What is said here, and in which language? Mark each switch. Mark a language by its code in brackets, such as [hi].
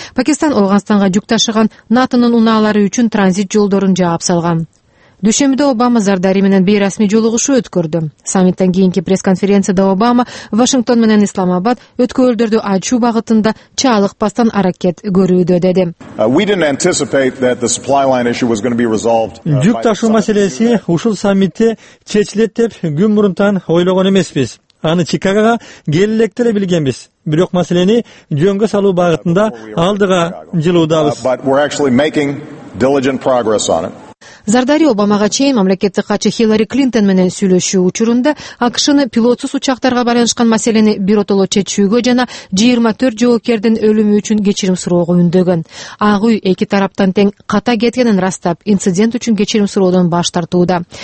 [ky] Пакистан Афганистанга жүк ташыган НАТОнун унаалары үчүн транзит жолдорун жаап салган. Дүйшөмбүдө Обама Зардари менен бейрасмий жолугушу өткөрдү. Саммиттен кийинки пресс-конференцияда Обама Вашингтон менен Исламабад өткөрүлдөрдү ачуу багытында чаалыкпастан аракет көрүүдө деди. [en] We didn't anticipate that the supply line issue was going to be resolved. [ky] Жүк ташуу маселеси ушул саммитте чечилет деп күн мурунтан ойлогон эмеспиз. Аны Чикагога келилектере билгенбиз. Бирок маселени жөнгө салуу багытында алдыга жылуудабыз. [en] But we're actually making diligent progress on it. [ky] Зардари Обамага чейин мамлекеттик катчы Хиллари Клинтон менен сүйлөшүү учурунда АКШны пилотсуз учактарга байланышкан маселени биротоло чечүүгө жана 24 жоокердин өлүмү үчүн кечирим суроого үндөгөн. Ак Үй эки тараптан тең ката кеткенин ырастап, инцидент үчүн кечирим суроодон баш тартууда.